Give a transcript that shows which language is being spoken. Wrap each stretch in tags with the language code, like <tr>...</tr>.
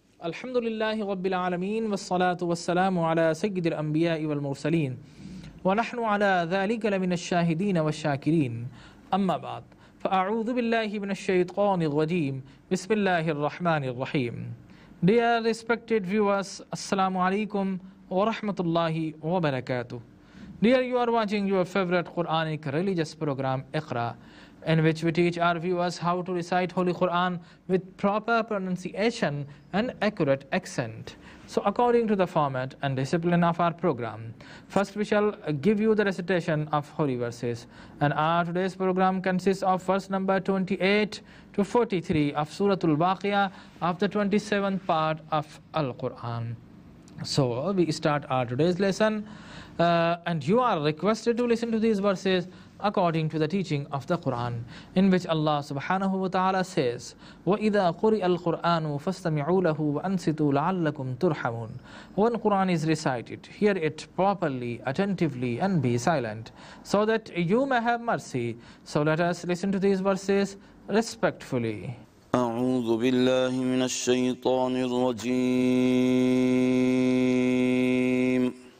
<ar>الحمد لله رب العالمين والصلاة والسلام على سيد الأنبياء والمرسلين ونحن على ذلك لمن الشاهدين والشاكرين أما بعد فأعوذ بالله من الشيطان الرجيم بسم الله الرحمن الرحيم</ar> <en>Dear respected viewers,</en> <ar>Assalamu alaikum wa rahmatullahi wa barakatuh.</ar> <en>Dear, you are watching your favorite Quranic religious program, Iqra, in which we teach our viewers how to recite Holy Quran with proper pronunciation and accurate accent. So according to the format and discipline of our program, first we shall give you the recitation of holy verses. And our today's program consists of verse number 28 to 43 of Surah Al-Waqiah of the 27th part of Al-Quran. So we start our today's lesson and you are requested to listen to these verses according to the teaching of the Quran, in which Allah subhanahu wa ta'ala says,</en> <ar>وَإِذَا قُرِئَ الْقُرْآنُ فَاسْتَمِعُوا لَهُ وَأَنْصِتُوا لَعَلَّكُمْ تُرْحَمُونَ</ar> <en>When Quran is recited, hear it properly, attentively, and be silent, so that you may have mercy. So let us listen to these verses respectfully.</en> <ar>أَعُوذُ بِاللَّهِ مِنَ الشَّيْطَانِ الرَّجِيمِ</ar>